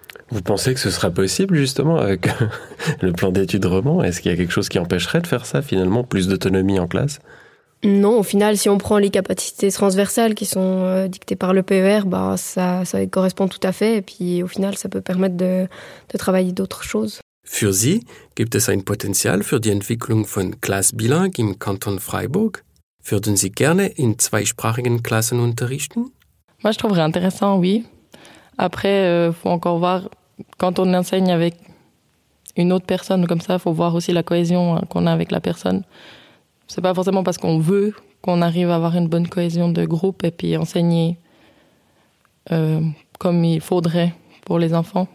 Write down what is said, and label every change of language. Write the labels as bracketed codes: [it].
[fr] Vous pensez que ce sera possible, justement, avec le plan d'études roman? Est-ce qu'il y a quelque chose qui empêcherait de faire ça, finalement, plus d'autonomie en classe? Non, au final, si on prend les capacités transversales qui sont dictées par le PER, bah, ça correspond tout à fait. Et puis, au final, ça peut permettre de travailler d'autres choses. [de] Für Sie, gibt es ein Potenzial für die Entwicklung von Klassbilingue im Kanton Freiburg? Würden Sie gerne in zweisprachigen Klassen unterrichten? [fr] Moi, je trouverais intéressant, oui. Après, faut encore voir, quand on enseigne avec une autre personne comme ça, faut voir aussi la cohésion qu'on a avec la personne. C'est pas forcément parce qu'on veut qu'on arrive à avoir une bonne cohésion de groupe et puis enseigner comme il faudrait pour les enfants.